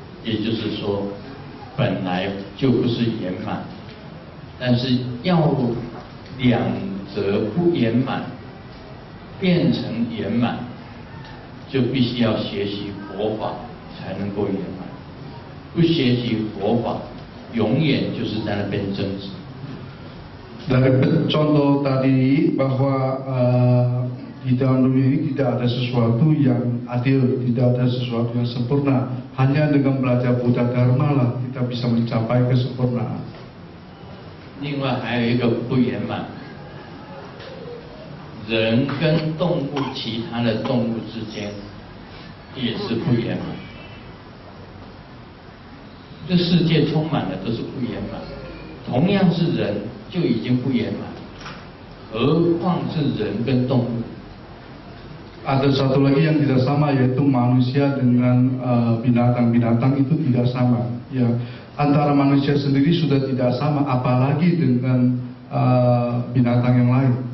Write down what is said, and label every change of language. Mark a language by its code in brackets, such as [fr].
[zh] 也就是说本来就不是圆满，但是要两者不圆满变成圆满，就必须要学习佛法才能够圆满，不学习佛法永远就是在那边争执。 [id] Dari contoh tadi bahwa di dalam dunia ini tidak ada sesuatu yang adil, tidak ada sesuatu yang sempurna. Hanya dengan belajar Buddha Dharma lah kita bisa mencapai kesempurnaan. [zh] 另外还有一个不圆满，人跟动物其他的动物之间也是不圆满。这世界充满的都是不圆满，同样是人就已经不圆满，何况是人跟动物。 [id] Ada satu lagi yang tidak sama, yaitu manusia dengan binatang-binatang itu tidak sama. Ya, antara manusia sendiri sudah tidak sama, apalagi dengan binatang yang lain.